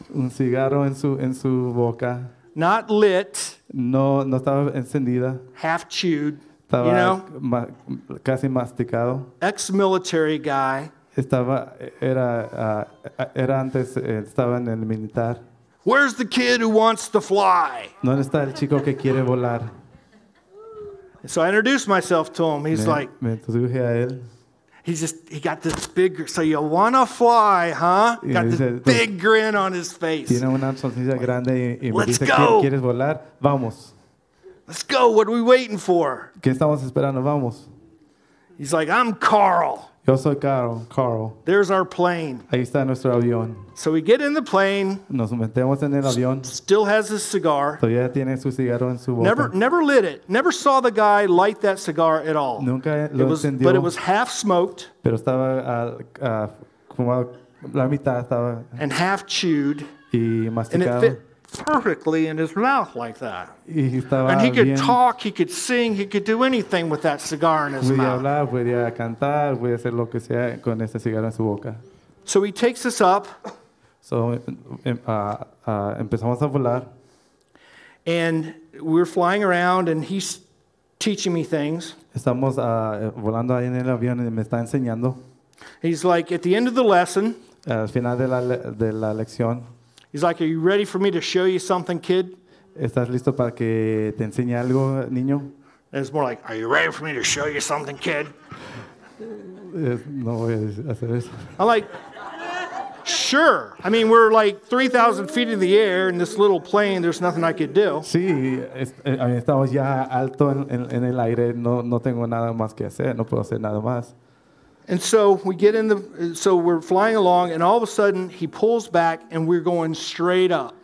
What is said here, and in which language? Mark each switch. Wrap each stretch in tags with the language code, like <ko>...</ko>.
<es>Un cigarro en su boca.</es> <en>Not lit.</en> <es>No estaba encendida.</es> <en>Half chewed.</en> <es>Estaba,</es> <en>you know,</en> <es>casi masticado.</es> <en>Ex-military guy.</en> <es>Era antes, estaba en el militar.</es> <en>Where's the kid who wants to fly?</en> <es>¿Dónde está el chico que quiere volar?</es> <en>So I introduced myself to him. He's like,</en> <es>me introduje a él.</es> <en>He got this big, so you want to fly, huh? Got this big grin on his face.</en> <es>Tiene una sonrisa grande y me dice, ¿quieres volar? Vamos.</es> <en>Let's go. What are we waiting for?</en> <es>¿Qué estamos esperando? Vamos.</es> <en>He's like, I'm Carl.</en> <es>Yo soy Carl. Carl.</es> <en>There's our plane.</en> <es>Ahí está nuestro avión.</es> <en>So we get in the plane.</en> <es>Nos metemos en el avión.</es> <en>Still has his cigar.</en> <es>Todavía tiene su cigarro en su boca.</es> <en>Never lit it. Never saw the guy light that cigar at all.</en> <es>Nunca lo encendió.</es> <en>But it was half smoked.</en> <es>Pero estaba como la mitad estaba.</es> <en>And half chewed.</en> <es>Y masticado.</es> <en>And it fit perfectly in his mouth like that.</en> <es>Y estaba</es> <en>and he could</en> <es>bien.</es> <en>Talk, he could sing, he could do anything with that cigar in his</en> <es>podía</es> <en>mouth.</en> <es>Hablar, podía cantar, podía hacer lo que sea con ese cigarro en su boca.</es> <en>So he takes us up.</en> <es>So empezamos a volar.</es> <en>And we're flying around and he's teaching me things.</en> <es>Estamos volando ahí en el avión y me está enseñando.</es> <en>He's like, at the end of the lesson,</en> <es>al final de la lección,</es> <en>he's like, are you ready for me to show you something, kid?</en> <es>¿Estás listo para que te enseñe algo, niño?</es> <en>And it's more like, are you ready for me to show you something, kid?</en> <es>No voy a hacer eso.</es> <en>I'm like, sure. I mean, we're like 3,000 feet in the air in this little plane. There's nothing I could do.</en> <es>Sí, estamos ya alto en el aire. No tengo nada más que hacer. No puedo hacer nada más.</es> <en>And so we get in the, so we're flying along, and all of a sudden he pulls back, and we're going straight up.</en>